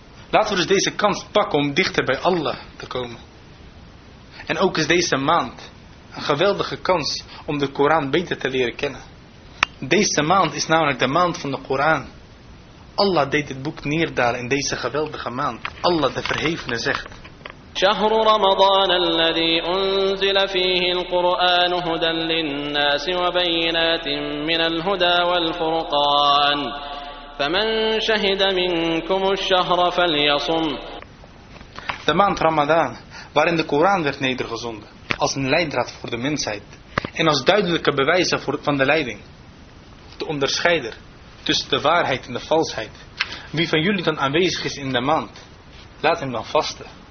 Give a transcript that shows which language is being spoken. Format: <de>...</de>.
<nl>Laten we dus deze kans pakken om dichter bij Allah te komen. En ook is deze maand een geweldige kans om de Koran beter te leren kennen. Deze maand is namelijk de maand van de Koran. Allah deed dit boek neerdalen in deze geweldige maand. Allah de Verhevene zegt:</nl> <ar>شهر رمضان الذي أنزل فيه القرآن هدى للناس وبينات من الهدى والفرقان فمن شهد منكم الشهر فليصم.</ar> <nl>de maand Ramadan, waarin de Koran werd nedergezonden als een leidraad voor de mensheid en als duidelijke bewijzen van de leiding, de onderscheider tussen de waarheid en de valsheid. Wie van jullie dan aanwezig is in de maand, laat hem dan vasten.</nl>